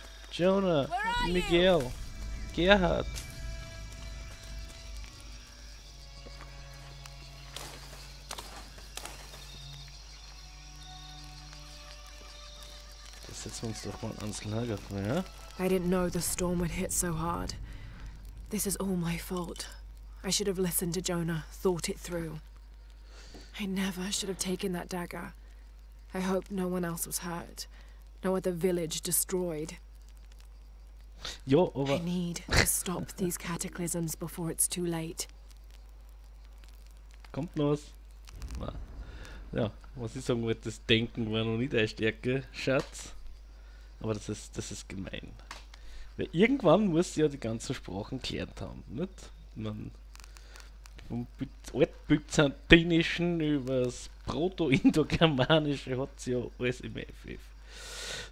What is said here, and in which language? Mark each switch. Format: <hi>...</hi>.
<en>Jonah! Where are Miguel! You? Gerhard!</en> <de>Das setzen wir uns doch mal ans Lager, ja?</de> <en>I didn't know the storm would hit so hard. This is all my fault. I should have listened to Jonah, thought it through. I never should have taken that dagger. I hope no one else was hurt. No other village destroyed.</en> <de>Jo, aber...</de> <en>I need to stop these cataclysms before it's too late.</en> <de>Kommt los. Na. Ja, was ich sagen wollte, das Denken war noch nicht deine Stärke, Schatz. Aber das ist gemein. Weil irgendwann musst du ja die ganzen Sprachen gelernt haben, nicht? Man, vom Altbyzantinischen übers Proto-Indogermanische hat es ja alles im FF.</de>